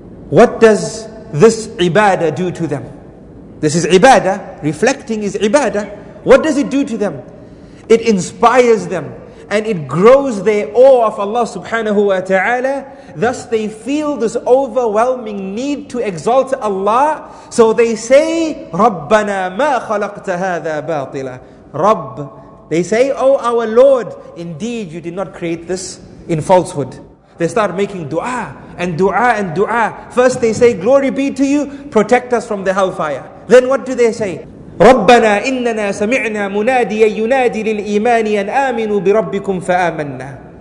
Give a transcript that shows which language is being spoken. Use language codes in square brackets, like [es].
[en] What does this ibadah do to them? This is ibadah. Reflecting is ibadah. What does it do to them? It inspires them and it grows their awe of Allah subhanahu wa ta'ala. Thus they feel this overwhelming need to exalt Allah. So they say, [ar] رَبَّنَا مَا خَلَقْتَ هَذَا بَاطِلًا. رَبْ. [en] They say, oh our Lord, indeed you did not create this in falsehood. They start making dua and dua and dua. First they say, glory be to you, protect us from the hellfire. Then what do they say? [ar] رَبَّنَا إِنَّنَا سَمِعْنَا مُنَادِيَ يُنَادِي لِلْإِيمَانِ أَنْ آمِنُوا بِرَبِّكُمْ فَآمَنَّا.